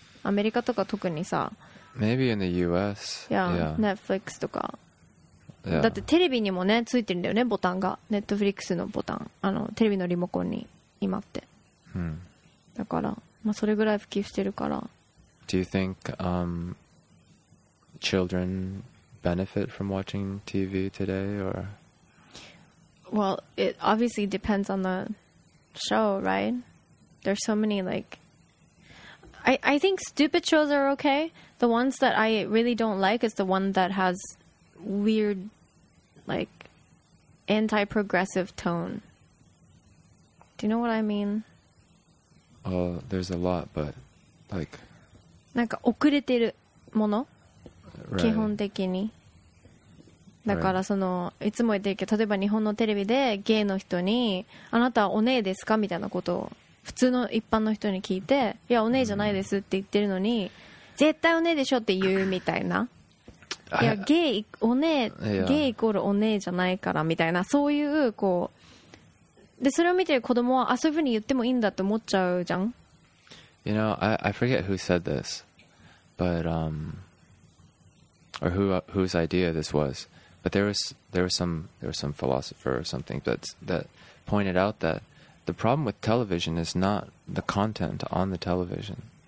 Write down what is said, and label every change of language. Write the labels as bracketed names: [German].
[Japanese] アメリカとか特にさ。 [English] Maybe in the US. Yeah, yeah. Netflix とか、 yeah. [Japanese] だってテレビにもねついてるんだよね、ボタンが。 Netflix のボタン、テレビのリモコンに今って、 hmm. だから、まあ、それぐらい普及してるから。 [English] Do you think children benefit from watching TV today or... Well, it obviously depends on the show, right? There's so many, like... I think stupid shows are okay. The ones that I really don't like is the one that has weird, like, anti-progressive tone. Do you know what I mean? There's a lot, but, like... [Japanese] なんか遅れてるもの、 [English] right. [Japanese] 基本的に。だからそのいつも言ってるけど、例えば日本のテレビでゲイの人にあなたはお姉ですかみたいなことを普通の一般の人に聞いて、いやお姉じゃないですって言ってるのに絶対お姉でしょって言うみたいな、いやゲイお姉、ゲイイコールお姉じゃないからみたいな、そういうこうで、それを見てる子供は、あ、そういうふうに言ってもいいんだって思っちゃうじゃん。 [English] You know, I forget who said this, but, or whose idea this was, but there was some philosopher or something that pointed out that the problem with television is not the content on the television.